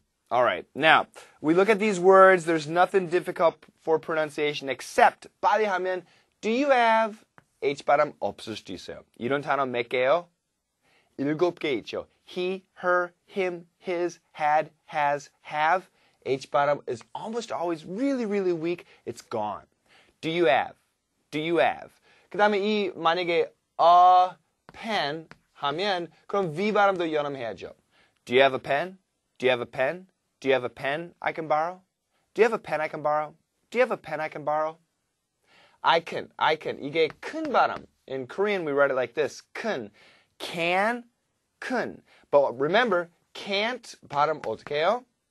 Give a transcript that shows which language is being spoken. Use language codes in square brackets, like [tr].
[en] All right. Now, we look at these words. There's nothing difficult for pronunciation except 빨리 하면, do you have H [ko] 발음 없을 수도 있어요. 이런 단어 몇 개요? 일곱 개 있죠. [en] He, her, him, his, had, has, have. H 발음 is almost always really, really weak. It's gone. Do you have? Do you have? [ko] 그 다음에 이 만약에 pen 하면 그럼 V 발음도 연음해야죠. [en] Do you have a pen? Do you have a pen? Do you have a pen I can borrow? Do you have a pen I can borrow? Do you have a pen I can borrow? I can. [ko] 이게 큰 발음. [en] In Korean, we write it like this. 큰. Can, 큰. But remember, can't [ko] 발음 어떻게 해요?